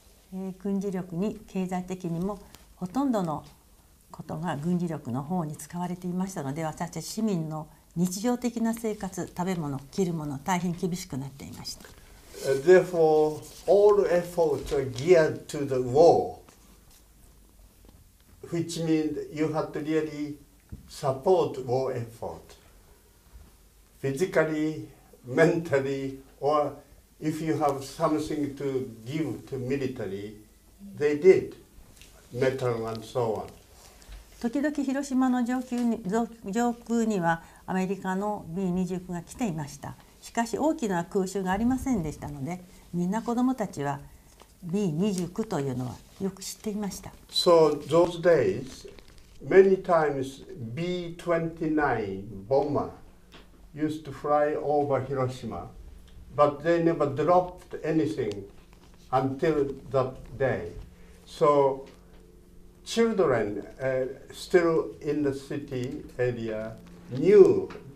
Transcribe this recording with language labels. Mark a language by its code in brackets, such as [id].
[ja] 軍事力に経済的にもほとんどのことが軍事力の方に使われていましたので、私たち市民の日常的な生活、食べ物、着るもの、大変厳しくなっていました。 [en] Therefore, all efforts are geared to the war, which means you have to really support war effort, physically, mentally, or if you have something to give to military, they did, metal and so on. [ja] 時々広島の上空にはアメリカの B-29 が来ていました。しかし大きな空襲がありませんでしたので、みんな子どもたちは B-29 というのはよく知っていました。 [en] So those days, many times B-29 bomber used to fly over Hiroshima, but they never dropped anything until that day. So children still in the city area knew.